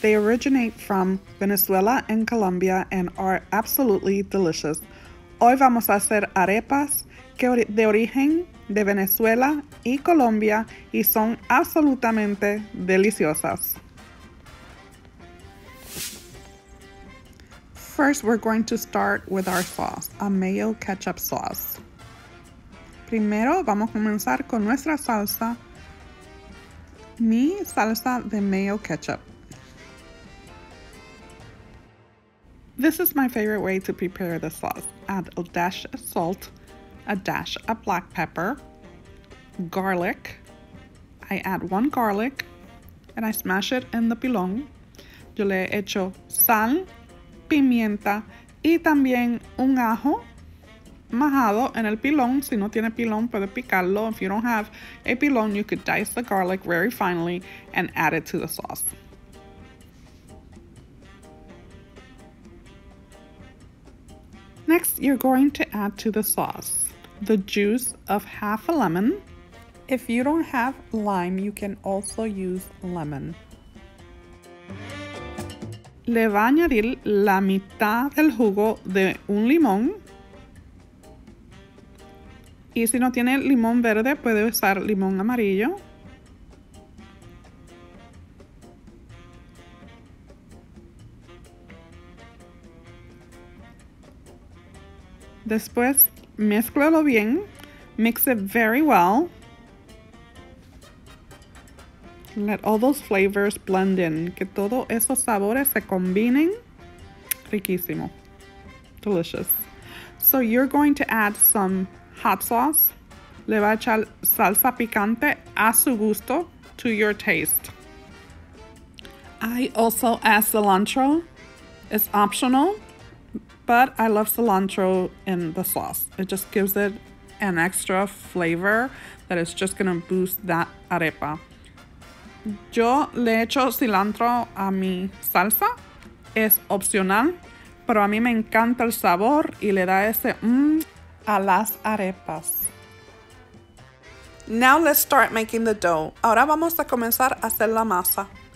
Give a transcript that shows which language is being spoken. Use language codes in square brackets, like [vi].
[en] They originate from Venezuela and Colombia and are absolutely delicious. [es] Hoy vamos a hacer arepas de origen de Venezuela y Colombia y son absolutamente deliciosas. [en] First, we're going to start with our sauce, a mayo ketchup sauce. [es] Primero, vamos a comenzar con nuestra salsa, mi salsa de mayo ketchup. [en] This is my favorite way to prepare the sauce. Add a dash of salt, a dash of black pepper, garlic. I add one garlic and I smash it in the pilón. [es] Yo le echo sal, pimienta y también un ajo majado en el pilón. Si no tiene pilón, puede picarlo. [en] If you don't have a pilón, you could dice the garlic very finely and add it to the sauce. Next, you're going to add to the sauce the juice of half a lemon. If you don't have lime, you can also use lemon. [es] Le va a añadir la mitad del jugo de un limón. Y si no tiene limón verde, puede usar limón amarillo. Después, mézclalo bien. [en] Mix it very well. Let all those flavors blend in. [es] Que todos esos sabores se combinen. Riquísimo. [en] Delicious. So you're going to add some hot sauce. [es] Le va a echar salsa picante a su gusto, [en] to your taste. I also add cilantro. It's optional, but I love cilantro in the sauce. It just gives it an extra flavor that is just gonna boost that arepa. [es] Yo le echo cilantro a mi salsa. Es opcional, pero a mí me encanta el sabor y le da ese a las arepas. [en] Now let's start making the dough. [es] Ahora vamos a comenzar a hacer la masa.